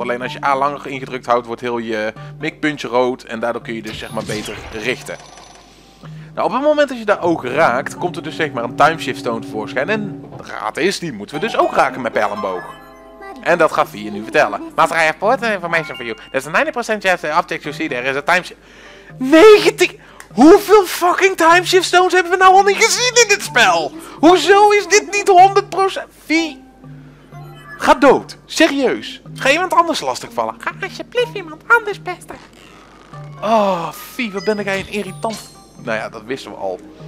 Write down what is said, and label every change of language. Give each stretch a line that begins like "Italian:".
Dutch: Alleen als je A langer ingedrukt houdt, wordt heel je mikpuntje rood en daardoor kun je dus zeg maar beter richten. Nou, op het moment dat je daar ook raakt, komt er dus zeg maar een timeshift stone tevoorschijn. En raad is, die moeten we dus ook raken met pijl en boog. En dat gaat Vie nu vertellen.
English: Master, I have important information for you. There's a 90% chance the object you see there is a timeshift... 90...
Dutch: Hoeveel fucking timeshift stones hebben we nou al niet gezien in dit spel? Hoezo is dit niet 100%? Vie? Ga dood. Serieus. Ga iemand anders lastigvallen. Ga alsjeblieft iemand anders pesten. Oh, Vie, wat ben ik een irritant. Nou ja, dat wisten we al.